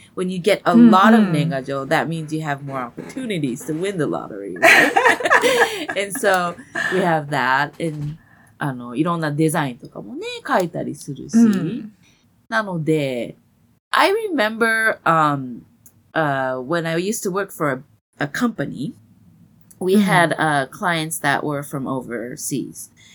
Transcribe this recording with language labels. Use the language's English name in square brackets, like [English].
[English] When you get a lot of 年賀状, that means you have more opportunities to win the lottery, right? And so, we have that. [Japanese] And, あの、いろんなデザインとかもね、書いたりするし。なので、 [English] I remember, when I used to work for a company,we had clients that were from overseas.